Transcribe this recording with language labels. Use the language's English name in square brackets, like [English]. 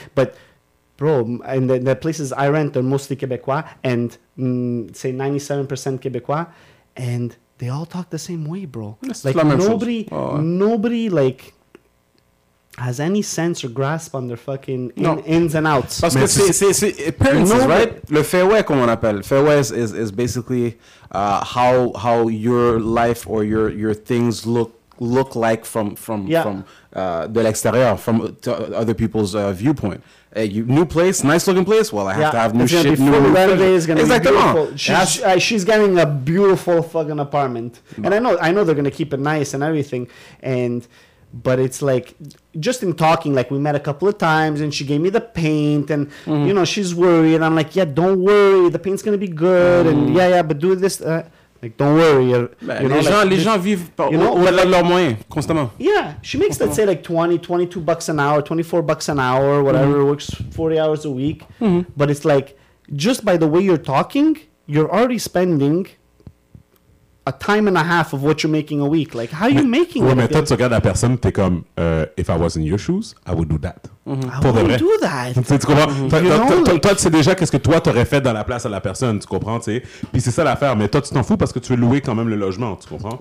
[English] But bro, and the places I rent are mostly Quebecois, and say 97% Quebecois, and they all talk the same way, bro. Nobody has any sense or grasp on their fucking ins and outs. [French] Parce que c'est le fairway, comme on appelle. [English] Fairway is basically how your life or your things look like from [French] de l'extérieur, [English] from other people's viewpoint. A new place, nice looking place. Well, I have to have new shit. It's gonna be full. She's getting a beautiful fucking apartment, and I know they're gonna keep it nice and everything, but it's like, just in talking, like, we met a couple of times and she gave me the paint and, you know, she's worried. And I'm like, yeah, don't worry. The paint's going to be good. Mm. And yeah, but do this. Like, don't worry. [French] Les gens vivent au-delà de leurs moyens, constamment. [English] Yeah. She makes, let's say, like, 20, 22 bucks an hour, 24 bucks an hour, whatever. Mm. Works 40 hours a week. Mm-hmm. But it's like, just by the way you're talking, you're already spending a time and a half of what you're making a week. Like, how are you making it? Well, [French] tu regardes la personne, t'es comme, [English] if I was in your shoes, I would do that. Mm-hmm. Pour I wouldn't do that. [French] Tu comprends? Toi, tu sais déjà qu'est-ce que toi, t'aurais fait dans la place à la personne, tu comprends, tu sais? Puis c'est ça l'affaire, mais toi, tu t'en fous parce que tu veux louer quand même le logement, tu comprends?